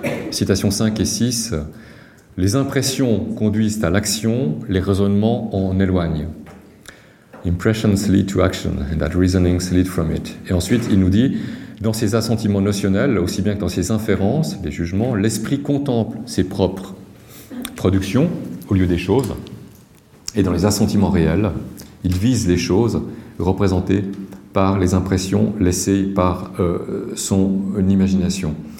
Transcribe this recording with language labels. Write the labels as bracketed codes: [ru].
[fr] Citation 5 et 6. Les impressions conduisent à l'action, les raisonnements en éloignent. [en] Impressions lead to action, and that reasonings lead from it. [fr] Et ensuite, il nous dit, dans ses assentiments notionnels, aussi bien que dans ses inférences, les jugements, l'esprit contemple ses propres productions au lieu des choses, et dans les assentiments réels, il vise les choses représentées par les impressions laissées par son imagination.